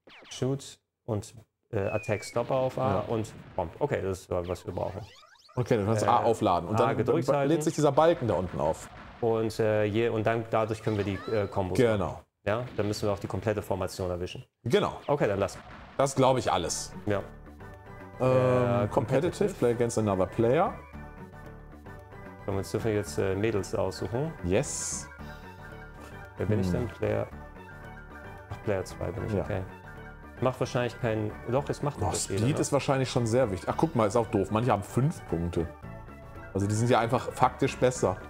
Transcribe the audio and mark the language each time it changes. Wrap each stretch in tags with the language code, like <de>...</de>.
<de>Shoot und Attack Stopper auf A und Bomb. Okay, das ist, was wir brauchen. Okay, du kannst A aufladen und A dann gedrückt halten. Lädt sich dieser Balken da unten auf. Und, dadurch können wir die Kombos machen. Genau. Ja, dann müssen wir auch die komplette Formation erwischen. Genau. Okay, dann lass. Das glaube ich alles. Ja.</de> <en>Competitive, play against another player.</en> <de>Und jetzt dürfen wir jetzt Mädels aussuchen.</de> <en>Yes.</en> <de>Wer bin ich denn? Player... Ach, Player 2 bin ich, okay. Macht wahrscheinlich keinen. Doch, es macht noch Speed jeder, ist wahrscheinlich schon sehr wichtig. Ach, guck mal, ist auch doof. Manche haben 5 Punkte. Also, die sind ja einfach faktisch besser.</de>